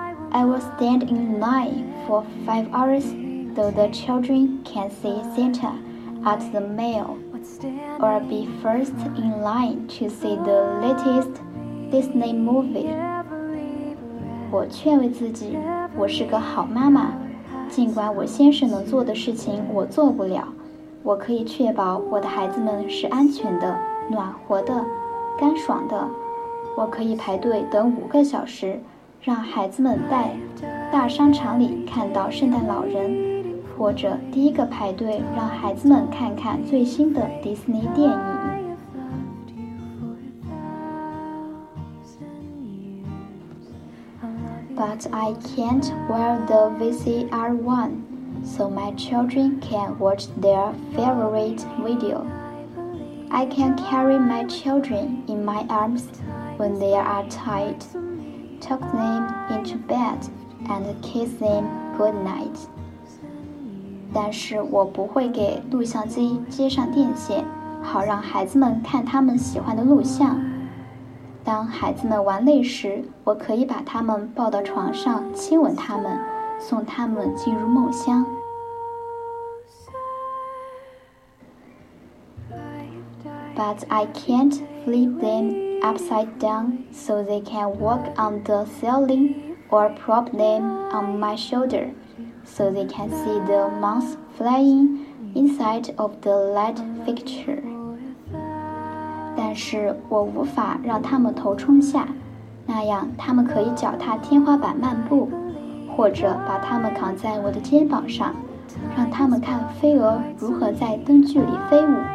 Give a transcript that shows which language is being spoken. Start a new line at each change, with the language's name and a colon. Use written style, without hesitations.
English: I will stand in line for 5 hours, though the children can see Santa at the mail, or be first in line to see the latest Disney movie.
Chinese: 我劝慰自己，我是个好妈妈。尽管我先生能做的事情我做不了，我可以确保我的孩子们是安全的、暖和的、干爽的。我可以排队等5个小时，让孩子们在大商场里看到圣诞老人，或者第一个排队让孩子们看看最新的迪士尼电影。
English: But I can't wear the VCR one, so my children can watch their favorite video. I can carry my children in my arms when they are tired, tuck them into bed, and kiss them goodnight.
Chinese: 但是我不会给录像机接上电线，好让孩子们看他们喜欢的录像。当孩子们玩累时，我可以把他们抱到床上，亲吻他们，送他们进入梦乡。
English: But I can't flip them upside down so they can walk on the ceiling or prop them on my shoulder so they can see the moths flying inside of the light fixture.
Chinese: 但是我无法让他们头冲下，那样他们可以脚踏天花板漫步，或者把他们扛在我的肩膀上，让他们看飞蛾如何在灯具里飞舞。